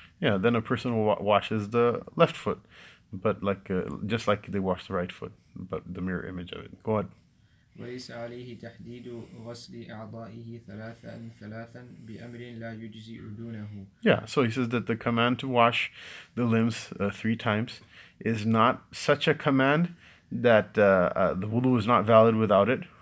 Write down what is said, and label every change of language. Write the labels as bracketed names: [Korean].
[English] Yeah, then a person washes the left foot, but just like they wash the right foot, but the mirror image of it. Go ahead. [Arabic] وليس عليه تحديد غسل أعضائه ثلاثا بأمر لا يجزي دونه. [English] Yeah, so he says that the command to wash the limbs three times is not such a command that the wudu is not valid without it.